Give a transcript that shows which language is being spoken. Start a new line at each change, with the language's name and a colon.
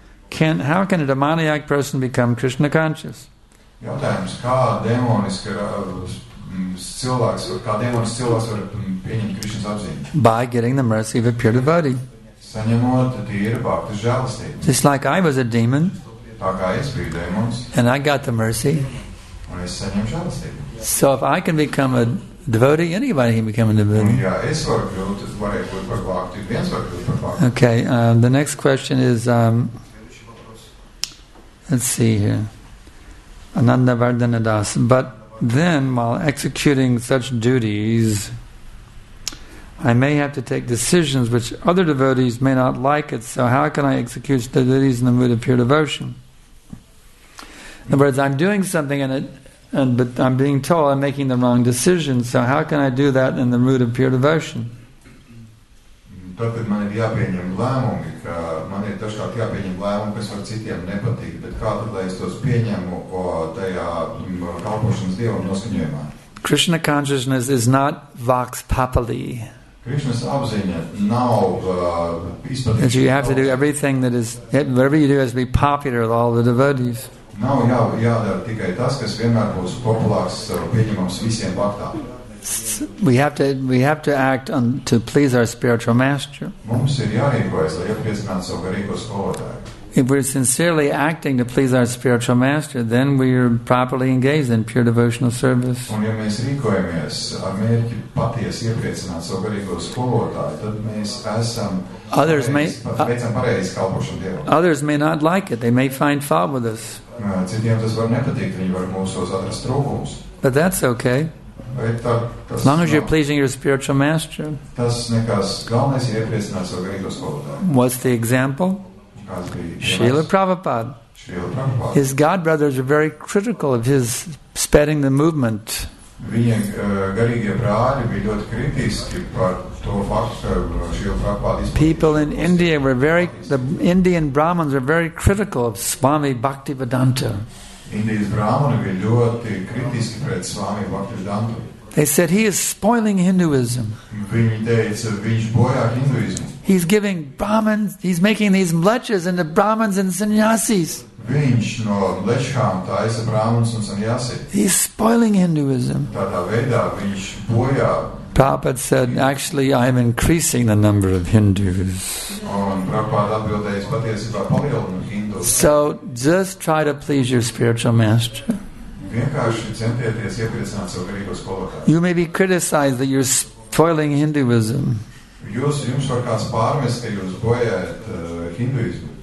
English: How can a demoniac person become Krishna conscious?
Latvian: Jautājums, kā demoniskais cilvēks, var pieņemt Krishnas apziņu?
English: By getting the mercy of a pure devotee.
Latvian: Saņemot tīru bhakti žēlastību.
English: Just like I was a demon.
Latvian: Tā kā es biju demons.
English: And I got the mercy.
Latvian: Un es saņemu žēlastību.
English: So if I can become a devotee, anybody can become a devotee. Okay, the next question is, let's see here, Ananda Vardhana Das. But then, while executing such duties, I may have to take decisions which other devotees may not like it, so how can I execute the duties in the mood of pure devotion? In other words, I'm doing something and but I'm being told I'm making the wrong decision, so how can I do that in the mood of pure devotion?
Latvian: Tātad man ir jāpieņem lēmumi, ka man ir dažkārt jāpieņem lēmumi, kas var citiem nepatīk, bet kā tad, lai es tos pieņemu tajā kalpošanas Dievam noskaņojumā?
English: Krishna consciousness is not vox populi.
Latvian: Krishna's apziņa nav izpatīšana.
English: And you have to do everything that is, whatever you do has to be popular with all the devotees.
Latvian: Nav jādara tikai tas, kas vienmēr būs populārs pieņemams visiem bhaktām.
English: We have to act on to please our spiritual master.
Latvian: Mums ir jārīkojas, lai iepriecinātu savu garīgo skolotāju.
English: If we're sincerely acting to please our spiritual master, then we are properly engaged in pure devotional service.
Latvian: Un ja mēs rīkojamies ar mērķi patiesi iepriecināt savu garīgo skolotāju, tad mēs esam
English: Others may not like it. They may find fault with us.
Latvian: Citiem tas var nepatikt, viņi var mūsos atrast trūkumus.
English: But that's okay. As long as you're pleasing your spiritual master.
Latvian: Tas nekas galvenais ir iepriecināt savu garīgo skolotāju.
English: What's the example? Srila Prabhupada. His God brothers are very critical of his spreading the movement.
Latvian: Viņa garīgie brāļi bija ļoti kritiski par to faktu, ka Srila Prabhupada
English: People in India were very, the Indian Brahmins were very critical of Swami Bhaktivedanta.
Latvian: Indijas brāmani bija ļoti kritiski pret Swami Bhaktivedanta.
English: They said he is spoiling Hinduism.
Latvian: Viņi teica, viņš bojā Hinduismu.
English: He's giving Brahmins, he's making these mlechas into Brahmins and sannyasis.
Latvian: Viņš no mlečām taisa Brahmins un sannyasi.
English: He's spoiling Hinduism.
Latvian: Tādā veidā viņš bojā.
English: Prabhupada said, actually, I am increasing the number of Hindus.
Latvian: Un Prabhupada atbildējis patiesībā palielinu Hindus.
English: So, just try to please your spiritual master.
Latvian: Vienkārši centieties iepriecināt savu garīgo skolotāju.
English: You may be criticized that you're spoiling Hinduism.
Latvian: Jums var kāds pārmest, ka jūs bojājat Hinduismu.